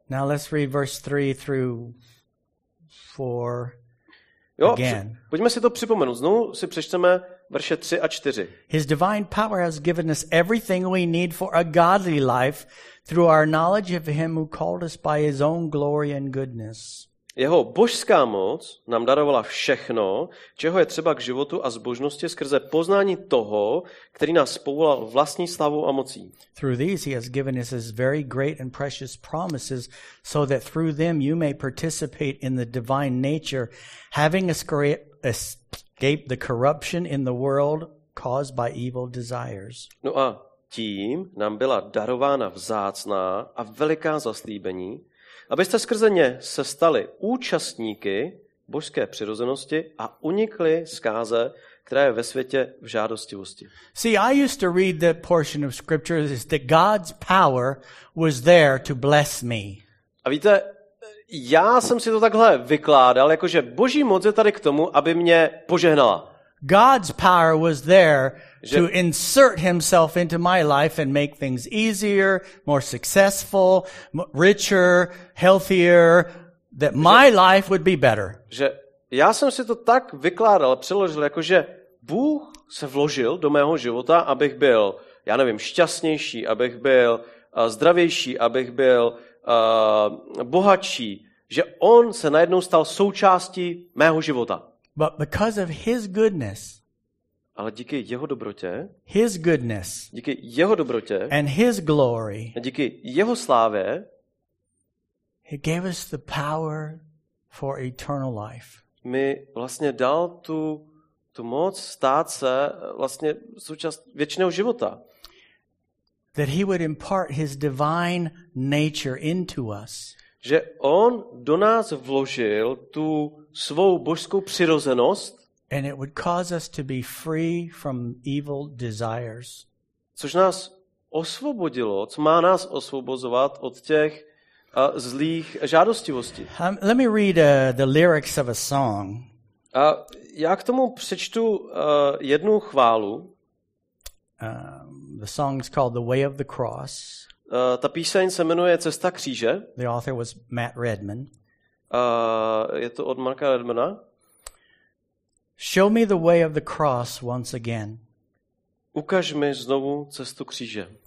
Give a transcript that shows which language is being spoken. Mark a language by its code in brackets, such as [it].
[en] Now let's read verse 3 through 4 again. [cs] Jo, pojďme si to připomenout. Znovu si přečteme verše 3 a 4. [en] His divine power has given us everything we need for a godly life through our knowledge of him who called us by his own glory and goodness. [cs] Jeho božská moc nám darovala všechno, čeho je třeba k životu a zbožnosti skrze poznání toho, který nás povolal vlastní slavou a mocí. [en] Through these he has given us his very great and precious promises so that through them you may participate in the divine nature, having escaped the corruption in the world caused by evil desires. [cs] No a tím nám byla darována vzácná a veliká zaslíbení, abyste skrze ně se stali účastníky božské přirozenosti a unikli zkáze, která je ve světě v žádostivosti. [en] See, I used to read that portion of scripture that God's power was there to bless me. [cs] A víte, já jsem si to takhle vykládal, jakože boží moc je tady k tomu, aby mě požehnala. [en] God's power was there to insert himself into my life and make things easier, more successful, richer, healthier, that my life would be better. [cs] Že já jsem si to tak vykládal, přeložil, jakože Bůh se vložil do mého života, abych byl, já nevím, šťastnější, abych byl zdravější, abych byl bohatší, že on se najednou stal součástí mého života. [en] But because of his goodness, [cs] ale díky jeho dobrotě, [en] his goodness, [cs] díky jeho dobrotě, [en] and his glory, [cs] a díky jeho slávě, [en] he gave us the power for eternal life. [cs] Mi vlastně dal tu moc stát se vlastně součást věčného života. [en] That he would impart his divine nature into us. [cs] Že on do nás vložil tu svou božskou přirozenost. [en] And it would cause us to be free from evil desires. [cs] Což nás osvobodilo, co má nás osvobozovat od těch zlých žádostivostí. [en] Let me read the lyrics of a song. [cs] A já k tomu přečtu jednu chválu. [en] The song is called The Way of the Cross. [cs] Ta píseň se jmenuje Cesta kříže. [en] The author was Matt Redman. [cs] Je to od Marka Redmana. [en] Show me the way of the cross once again. [cs] Ukaž mi znovu cestu kříže.